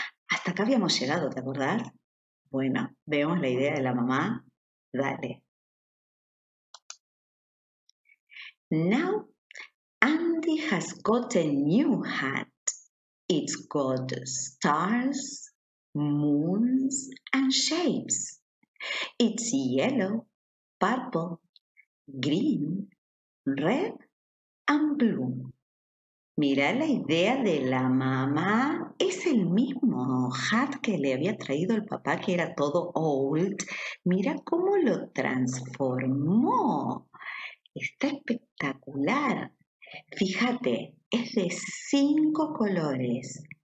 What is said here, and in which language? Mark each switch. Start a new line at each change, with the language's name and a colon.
Spanish: Hasta acá habíamos llegado, ¿te acordás? Bueno, veamos la idea de la mamá. Dale.
English: Now, Andy has got a new hat. It's got stars, moons, and shapes. It's yellow, purple, green, red, and blue.
Spanish: Mirá la idea de la mamá. Es el mismo hat que le había traído el papá, que era todo old. Mira cómo lo transformó. Está espectacular. Fíjate, es de 5 colores.